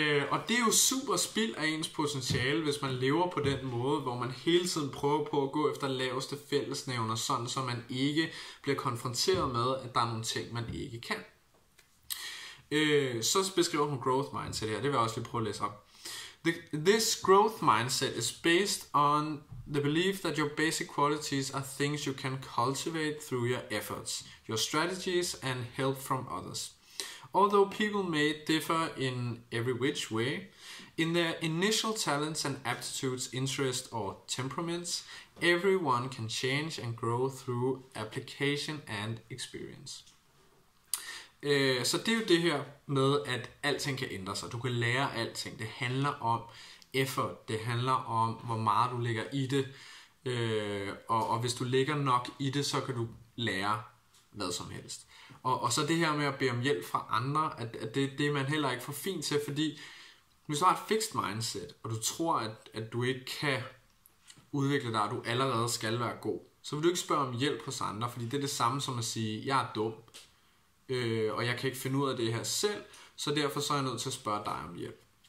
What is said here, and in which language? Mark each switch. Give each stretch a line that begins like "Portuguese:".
Danish: Og det er jo super spild af ens potentiale, hvis man lever på den måde, hvor man hele tiden prøver på at gå efter laveste fællesnævner, sådan så man ikke bliver konfronteret med, at der er nogle ting, man ikke kan. Så beskriver hun growth mindset her, det vil jeg også lige prøve at læse op.
English: This growth mindset is based on the belief that your basic qualities are things you can cultivate through your efforts, your strategies, and help from others. Although people may differ in every which way, in their initial talents and aptitudes, interests, or temperaments, everyone can change and grow through application and experience.
Danish: Så det er jo det her med, at alting kan ændre sig. Du kan lære alting. Det handler om effort. Det handler om, hvor meget du lægger i det. Og hvis du lægger nok i det, så kan du lære hvad som helst. Og så det her med at bede om hjælp fra andre, at det er man heller ikke for fint til, fordi hvis du har et fixed mindset, og du tror, at du ikke kan udvikle dig, og du allerede skal være god, så vil du ikke spørge om hjælp hos andre, fordi det er det samme som at sige, jeg er dum, og jeg kan ikke finde ud af det her selv, så derfor så er jeg nødt til at spørge dig om hjælp.